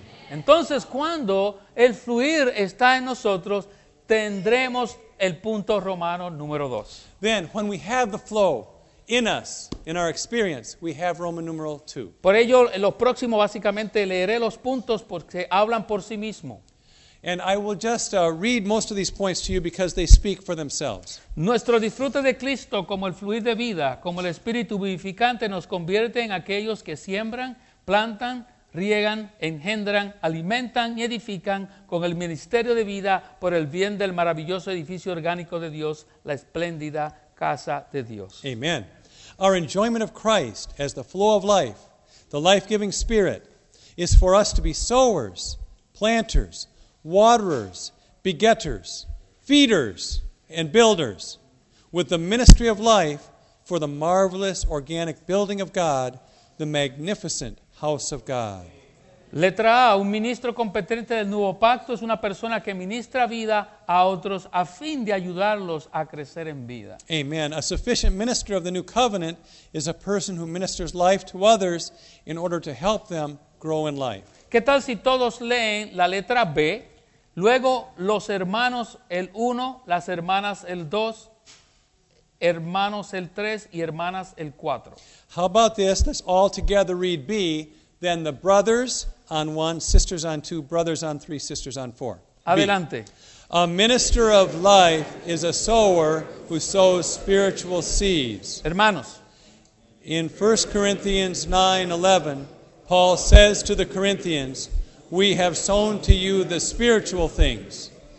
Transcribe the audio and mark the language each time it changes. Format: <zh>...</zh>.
<es>Entonces, cuando el fluir está en nosotros, tendremos el punto romano número dos.</es> <en>Then, when we have the flow in us, in our experience, we have Roman numeral 2.</en> <es>Por ello, en los próximos básicamente leeré los puntos porque hablan por sí mismo.</es> <en>And I will just read most of these points to you because they speak for themselves.</en> <es>Nuestro disfrute de Cristo como el fluir de vida, como el espíritu vivificante, nos convierte en aquellos que siembran, plantan, riegan, engendran, alimentan y edifican con el ministerio de vida por el bien del maravilloso edificio orgánico de Dios, la espléndida casa de Dios.</es> <en>Amen. Our enjoyment of Christ as the flow of life, the life-giving spirit, is for us to be sowers, planters, waterers, begetters, feeders, and builders, with the ministry of life for the marvelous organic building of God, the magnificent house of God.</en> <es>Letra A, un ministro competente del nuevo pacto es una persona que ministra vida a otros a fin de ayudarlos a crecer en vida.</es> <en>Amen. A sufficient minister of the new covenant is a person who ministers life to others in order to help them grow in life.</en> <es>¿Qué tal si todos leen la letra B, luego los hermanos el 1, las hermanas el 2, hermanos el 3 y hermanas el 4?</es> <en>How about this? Let's all together read B. Then the brothers on one, sisters on two, brothers on three, sisters on four.</en> <es>Adelante. B.</es> <en>A minister of life is a sower who sows spiritual seeds.</en> <es>Hermanos.</es> <en>In 1 Corinthians 9:11, Paul says to the Corinthians, we have sown to you the spiritual things.</en>